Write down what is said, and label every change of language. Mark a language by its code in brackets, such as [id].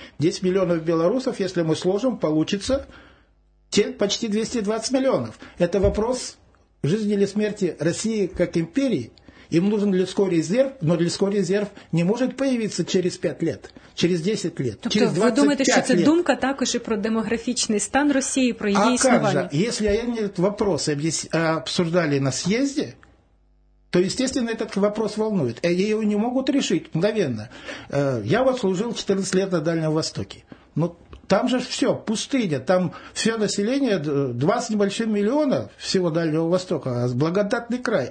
[ru] 10 миллионов белорусов, если мы сложим, получится те почти 220 миллионов. Это вопрос жизни или смерти России как империи. Им нужен людской резерв, но людской резерв не может появиться через 5 лет, через 10 лет, [uk] тобто, [ru] через 25 лет. [uk] Ви думаєте, що це думка також і про демографічний стан Росії, про її існування? [ru] А как же, если они этот вопрос обсуждали на съезде, то, естественно, этот вопрос волнует. И его не могут решить мгновенно. Я вот служил 14 лет на Дальнем Востоке. Но там же все, пустыня, там все население, 2 с небольшим миллиона всего Дальнего Востока, благодатный край.